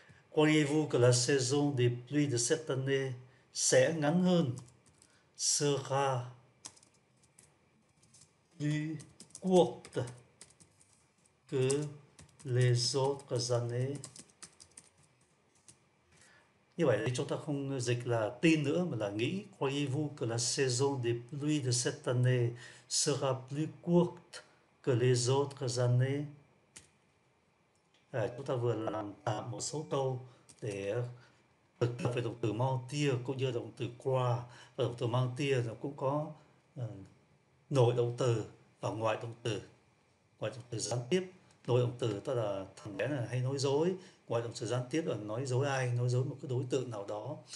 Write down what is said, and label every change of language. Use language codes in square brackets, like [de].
[fr] Croyez-vous que la saison des pluies de cette année [vi] sẽ ngắn hơn? [fr] Sera plus courte que les autres années. [vi] Như vậy thì chúng ta không dịch là tin nữa mà là nghĩ. [fr] Croyez-vous que la saison des pluies de cette année sera plus courte que les autres années? [vi] À, chúng ta vừa làm tạm một số câu để thực tập về động từ mentir cũng như động từ qua. Và động từ mentir nó cũng có nội động từ và ngoại động từ. Ngoại động từ gián tiếp. Nội động từ tức là thằng bé này hay nói dối. Ngoài động từ gián tiếp là nói dối ai, nói dối một cái đối tượng nào đó.